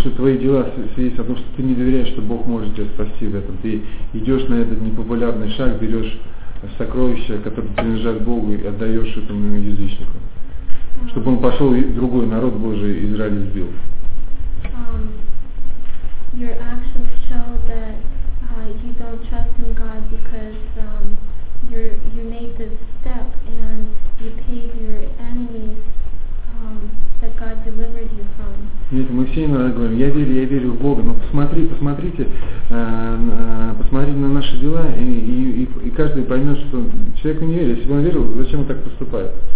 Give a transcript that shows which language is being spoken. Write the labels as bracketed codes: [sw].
[ru] что твои дела свидетельствуют о том, что ты не доверяешь, что Бог может тебя спасти в этом. Ты идешь на этот непопулярный шаг, берешь сокровища, которые принадлежат Богу, и отдаешь этому язычнику. Чтобы он пошел и другой народ Божий Израиль сбил. [en] Your actions show that you don't trust in God because you made this step and you paid your enemies that God delivered you from. [ru] Нет, мы все иногда говорим, я верю в Бога, но посмотрите на наши дела и каждый поймет, что человеку не верит. Если бы он верил, зачем он так поступает?